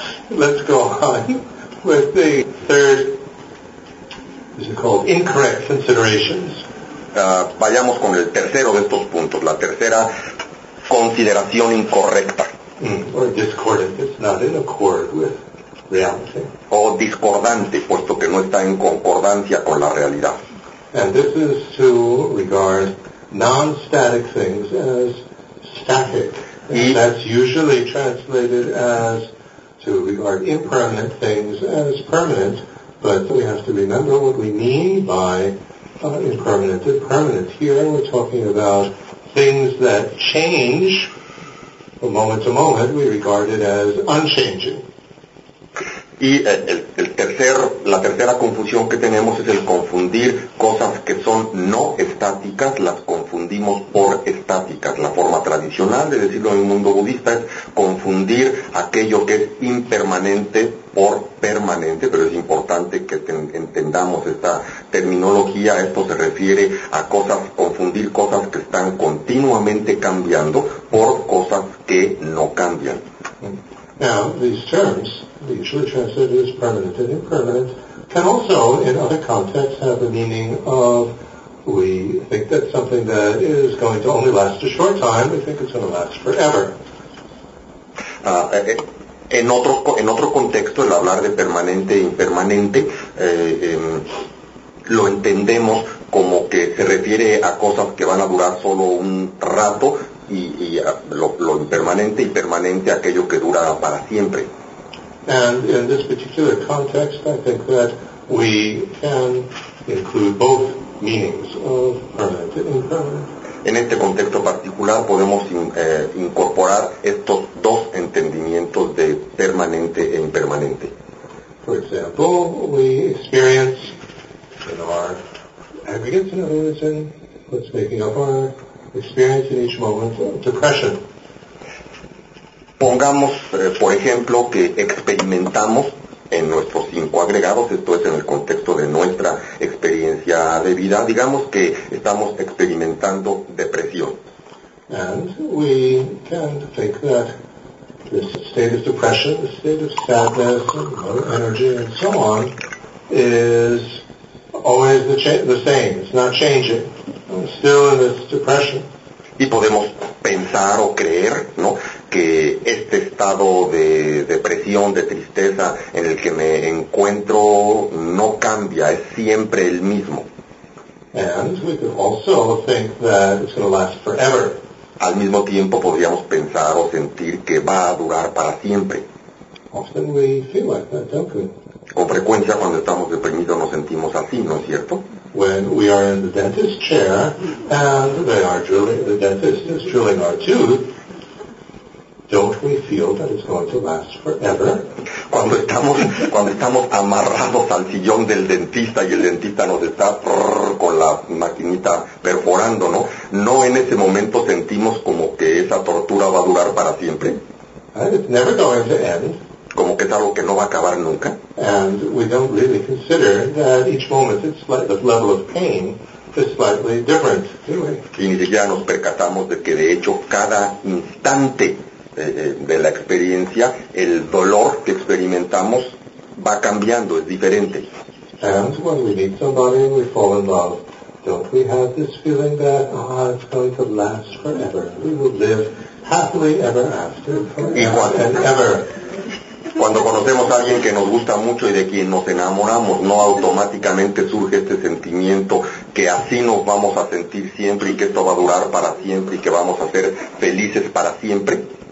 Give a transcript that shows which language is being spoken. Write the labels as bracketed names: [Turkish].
[English] Let's go on with the third, is it called incorrect considerations? [Spanish] Vayamos con el tercero de estos puntos, la tercera consideración incorrecta. [English] Or discordant, it's not in accord with reality. [Spanish] O discordante, puesto que no está en concordancia con la realidad. [English] And this is to regard non-static things as static. And that's usually translated as to regard impermanent things as permanent, but we have to remember what we mean by impermanent and permanent. Here we're talking about things that change from moment to moment. We regard it as unchanging. [Spanish] Y la tercera confusión que tenemos es el confundir cosas que son no estáticas, las confundimos por estáticas. La forma tradicional de decirlo en el mundo budista es confundir aquello que es impermanente por permanente, pero es importante que entendamos esta terminología. Esto se refiere a cosas, confundir cosas que están continuamente cambiando por cosas que no cambian. [English] Now, these terms, usually translated as permanent and impermanent, can also, in other contexts, have the meaning of we think that something that is going to only last a short time, we think it's going to last forever. [Spanish] En otro contexto, el hablar de permanente e impermanente, lo entendemos como que se refiere a cosas que van a durar solo un rato, y lo impermanente y permanente aquello que dura para siempre. [English] And in this particular context, I think that we can include both meanings of permanent and impermanent. [Spanish] En este contexto particular podemos incorporar estos dos entendimientos de permanente e impermanente. [English] For example, we experience in our aggregates and others and what's making up our experience in each moment of depression. [Spanish] Pongamos, por ejemplo, que experimentamos en nuestros cinco agregados, esto es en el contexto de nuestra experiencia de vida, digamos que estamos experimentando depresión. [English] And we can think that this state of depression, the state of sadness, low energy, and so on, is always the same, it's not changing. I'm still in this depression. [Spanish] Y podemos pensar o creer, ¿no?, que este estado de depresión, de tristeza en el que me encuentro no cambia, es siempre el mismo. [English] And we could also think that it's going to last forever. [Spanish] Al mismo tiempo podríamos pensar o sentir que va a durar para siempre. [English] Often we feel like that, don't we? [Spanish] Con frecuencia cuando estamos deprimidos nos sentimos así, ¿no es cierto? [English] When we are in the dentist chair and they are drilling, the dentist is drilling our tooth, don't we feel that it's going to last forever? [Spanish] Cuando estamos amarrados al sillón del dentista y el dentista nos está con la maquinita perforando, ¿no? ¿No en ese momento sentimos como que esa tortura va a durar para siempre? [English] And it's never going to end. [Spanish] Como que es algo que no va a acabar nunca. [English] And we don't really consider that each moment it's the level of pain is slightly different, do we? [Spanish] Y ni siquiera nos percatamos de que de hecho cada instante de la experiencia, el dolor que experimentamos va cambiando, es diferente. [English] And when we meet somebody and we fall in love, don't we have this feeling that, it's going to last forever? We will live happily ever after, forever and ever. [Spanish] Cuando conocemos a alguien que nos gusta mucho y de quien nos enamoramos, no automáticamente surge este sentimiento que así nos vamos a sentir siempre y que esto va a durar para siempre y que vamos a ser felices para siempre.